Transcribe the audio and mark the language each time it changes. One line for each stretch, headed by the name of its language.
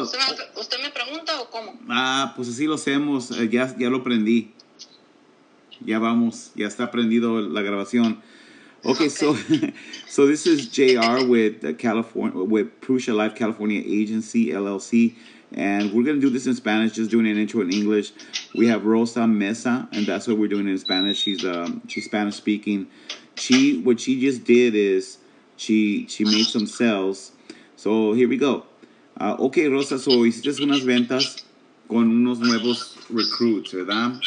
Spanish: ¿Usted me pregunta o cómo? Ah, pues así lo hacemos. Ya lo prendí. Ya vamos. Ya está prendido la grabación. Okay.
English: So this is JR with Prusha Life California Agency, LLC. And we're going to do this in Spanish, just doing an intro in English. We have Rosa Mesa, and that's what we're doing in Spanish. She's Spanish speaking. What she just did is she made some sales. So here we go.
Spanish: Okay, Rosa, so hiciste unas ventas con unos nuevos recruits, ¿verdad?